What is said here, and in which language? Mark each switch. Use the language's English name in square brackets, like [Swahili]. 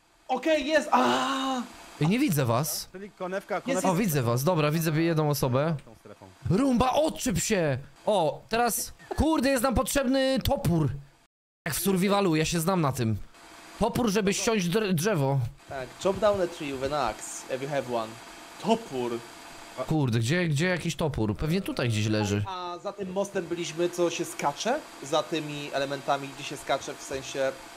[Polish] Okej, okay, jest! Ej, nie widzę was. Czyli konewka. O, widzę was, dobra, widzę jedną osobę. Rumba, odczyp się! O, teraz, kurde, jest nam potrzebny topór! Jak w survivalu, ja się znam na tym. Topór, żeby ściąć drzewo. Tak, [English] chop down a tree with an axe, if you have one. [Polish] Topór! Kurde, gdzie jakiś topór? Pewnie tutaj gdzieś leży. A za tym mostem byliśmy, co się skacze? Za tymi elementami, gdzie się skacze, w sensie...